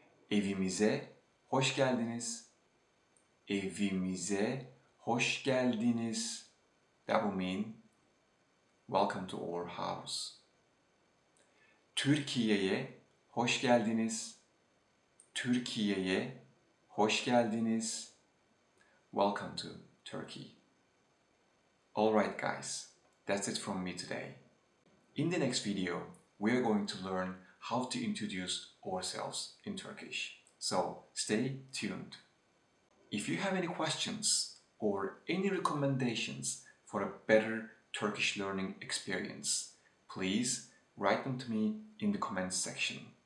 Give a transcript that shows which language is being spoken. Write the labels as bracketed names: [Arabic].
[Turkish] Evimize hoş geldiniz, evimize hoş geldiniz. [English] That will mean welcome to our house. [Turkish] Türkiye'ye hoş geldiniz, Türkiye'ye hoş geldiniz. [English] Welcome to Turkey. Alright guys, that's it from me today. In the next video, we are going to learn how to introduce ourselves in Turkish. So stay tuned. If you have any questions or any recommendations for a better Turkish learning experience, please write them to me in the comments section.